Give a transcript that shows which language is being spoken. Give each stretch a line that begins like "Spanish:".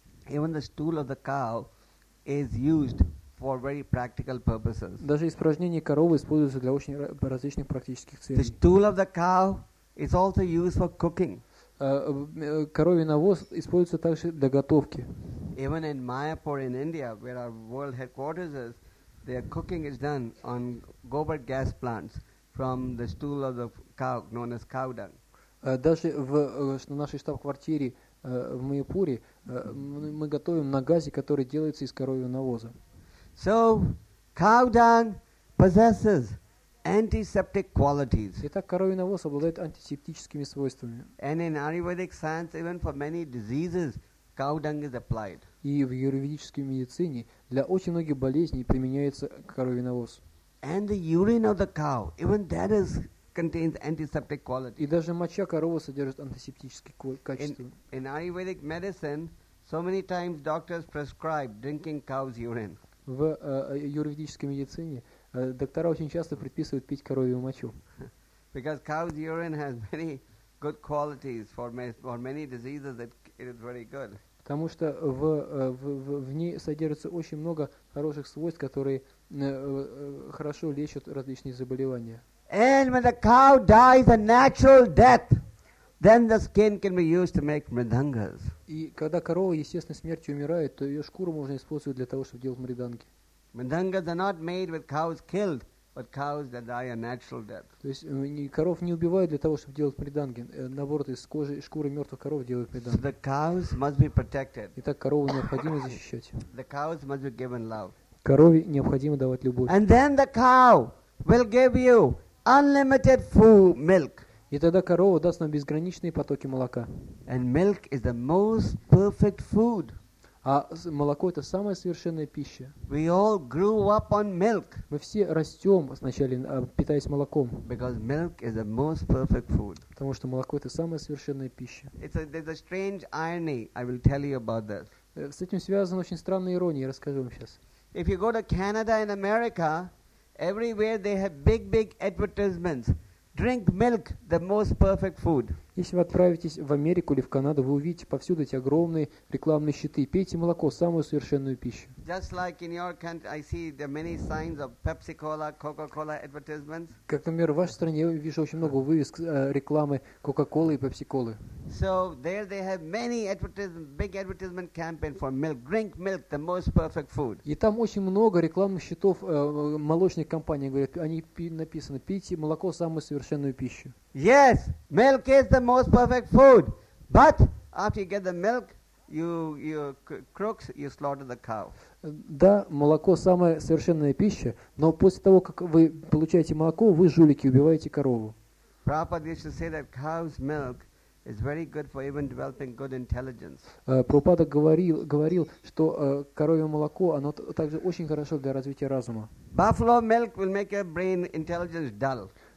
English: Even the stool of the cow is used for very practical purposes.
Russian: Даже испражнения коровы используются для очень различных практических целей.
English: The stool of the cow is also used for cooking.
Russian: Коровий навоз используется также для готовки.
English: Even in Mayapur in India, where our world headquarters is, their cooking is done on gobar gas plants from the stool of the cow, known as cow dung.
Russian: Даже в нашей штаб-квартире в Майяпуре мы готовим на газе, который делается из коровьего навоза.
English: So, cow dung possesses antiseptic qualities.
Russian: Итак, коровий навоз обладает антисептическими свойствами.
English: And in Ayurvedic science, even for many diseases, cow dung is applied.
Russian: И в аюрведической медицине для очень многих болезней применяется коровий навоз.
English: And the urine of the cow, even that is contains antiseptic quality.
Russian: И даже моча коровы содержит антисептические качества.
English: In Ayurvedic medicine, so many times doctors prescribe drinking cow's urine.
Russian: В аюрведической медицине доктора очень часто предписывают пить коровью мочу.
English: Because cow's urine has many good qualities for many diseases, that it is very good.
Russian: Потому что в ней содержится очень много хороших свойств, которые хорошо лечат различные заболевания.
English: And when the cow dies a natural death, then the skin can be used to make mridangas.
Russian: И когда корова естественной смертью умирает, то ее шкуру можно использовать для того, чтобы делать мриданги.
English: Mridangas are not made with cows killed, but cows that die a natural death.
Russian: То есть коров не убивают для того, чтобы делать мриданги. Наоборот, из кожи и шкуры мертвых коров делают мриданги.
English: So the cows must be protected.
Russian: Итак, корову необходимо защищать.
English: The cows must be given love.
Russian: Корове необходимо давать любовь.
English: And then the cow will give you unlimited full milk.
Russian: И тогда корова даст нам безграничные потоки молока.
English: And milk is the most perfect food.
Russian: А молоко – это самая совершенная пища.
English: We all grew up on milk.
Russian: Мы все растем сначала, питаясь молоком.
English: Because milk is the most perfect food.
Russian: Потому что молоко – это самая совершенная пища.
English: There's a strange irony. I will tell you about that.
Russian: С этим связана очень странная ирония. Я расскажу вам сейчас.
English: If you go to Canada and America, everywhere they have big, big advertisements. Drink milk, the most perfect food.
Russian: Если вы отправитесь в Америку или в Канаду, вы увидите повсюду эти огромные рекламные щиты. Пейте молоко, самую совершенную пищу.
English: Just like in your country, I see the many signs of Pepsi Cola, Coca-Cola advertisements.
Russian: Как, например, в вашей стране я вижу очень много вывесок рекламы Coca-Cola и Pepsi Cola.
English: So there they have many advertisements, big advertisement campaign for milk. Drink milk, the most perfect food.
Russian: И там очень много рекламных щитов молочных компаний. Говорят, они написаны: пейте молоко, самую совершенную пищу.
English: Yes, milk is the most perfect food. But after you get the milk, you slaughter the cow.
Russian: Да, молоко самая совершенная пища, но после того, как вы получаете молоко, вы жулики, убиваете корову.
English: Prabhupada used to say that cow's milk is very good for even developing good intelligence.
Russian: Prabhupada говорил, что коровье молоко, оно также очень хорошо для развития разума.
English: Buffalo milk will make your brain intelligence dull.